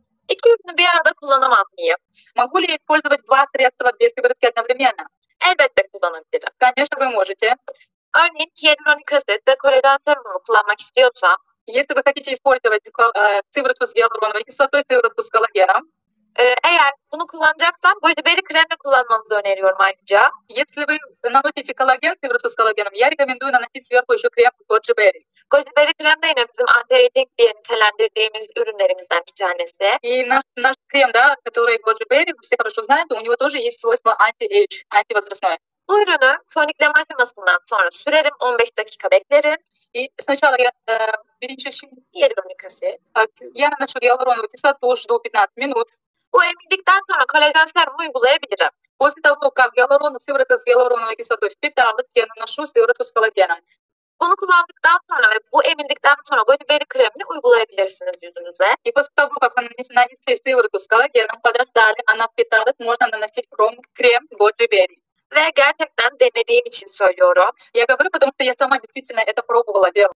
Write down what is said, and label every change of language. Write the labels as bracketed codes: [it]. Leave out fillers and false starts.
[tr] İki ürünü bir arada kullanamam mıyım? [ru] Могу ли я использовать два средства две сыворотки одновременно? [tr] Elbette kullanabilirim. [ru] Конечно, вы можете. [tr] Örneğin hyaluronik asit ve kolagen serumunu kullanmak istiyorsam. [ru] Если вы хотите использовать сыворотку с гиалуроновой кислотой, сыворотку с коллагеном. [tr] Eğer bunu kullanacaksam gojiberi kremle kullanmanızı öneriyorum ayrıca. [ru] Если вы наносите коллаген, сыворотку с коллагеном, я рекомендую наносить сверху еще крем годжибери. [tr] Gojiberi krem de yine bizim anti-aging diye nitelendirdiğimiz ürünlerimizden bir tanesi. [ru] И наш крем, да, который годжибери, все хорошо знают, у него тоже есть свойство anti-age, anti-возрастное. [tr] Bu ürünü tonik demajlamasından sonra sürerim, 15 dakika beklerim. [ru] Сначала я перенесу гиалуроновую кислоту. Я наношу гиалуроновую кислоту, жду 15 минут. [tr] Bu emildikten sonra kolajen serumu uygulayabilirim. [ru] После того, как сыворотка с гиалуроновой кислотой впиталась, я наношу сыворотку с коллагеном. [tr] Bunu kullandıktan sonra ve bu emildikten sonra gojiberi kremini uygulayabilirsiniz yüzünüze. [ru] И после того, как нанесли сыворотку с коллагеном, подождали, она впиталась, можно наносить крем годжибери. [tr] Ve gerçekten denediğim için söylüyorum. [ru] Я говорю, потому что я сама действительно это пробовала делать.